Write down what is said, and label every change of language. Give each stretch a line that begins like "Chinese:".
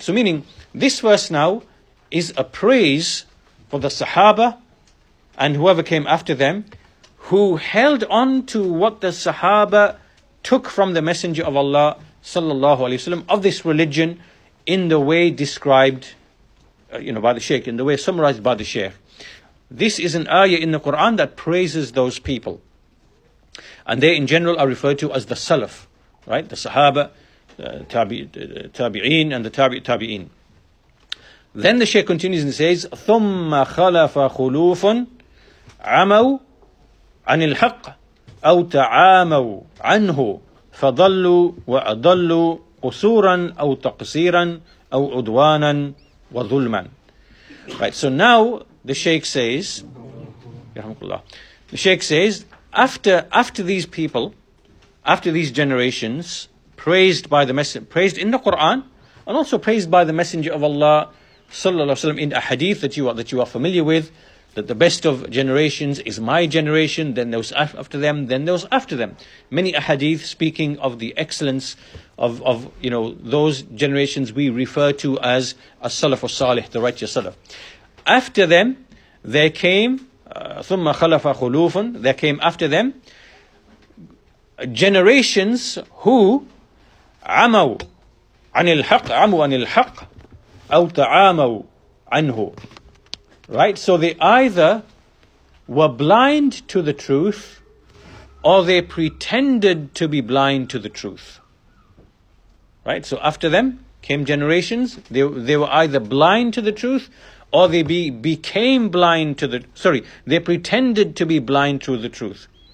English: So meaning, this verse now is a praise for the Sahaba and whoever came after them, who held on to what the Sahaba took from the Messenger of Allah sallallahu alaihi wasallam, of this religion, in the way described, you know, by the Shaykh, in the way summarized by the Shaykh. This is an ayah in the Quran that praises those people, and they in general are referred to as the Salaf, right? The Sahaba, Tabi'in, and the Tabi'in. Then the Shaykh continues and says,
Arabic: ثُمَّ خَلَفَ خُلُوفٌ عَمَوْا عَنِ الْحَقِّ أَوْ تَعَامَوْا عَنْهُ فَضَلُّوا وَأَضَلُّوا قُسُورًا أَوْ تَقْسِيرًا أَوْ عُدْوَانًا وَظُلْمًا.
English: Right, so now the Shaykh says, Yarhamukullah, the Shaykh says, after these people, after these generations, praised in the Quran, and also praised by the Messenger of Allah sallallahu alaihi wasallam in a hadith that you are familiar with, that the best of generations is my generation, then those after them, then those after them. Many a hadith speaking of the excellence of you know, those generations we refer to as as-salaf as-salih, the righteous salaf. After them, there came
Arabic: ثُمَّ خَلَفَ خُلُوفٌ,
English: there came after them generations who
Arabic: عَمَوْا عَنِ الْحَقِّ, عَمُوا عَنِ الْحَقِّ أَوْ تَعَامَوْا عَنْهُ.
English: Right, so they either were blind to the truth, or they pretended to be blind to the truth. Right, so after them came generations, they were either blind to the truth, or they became blind to the, sorry, they pretended to be blind to the truth.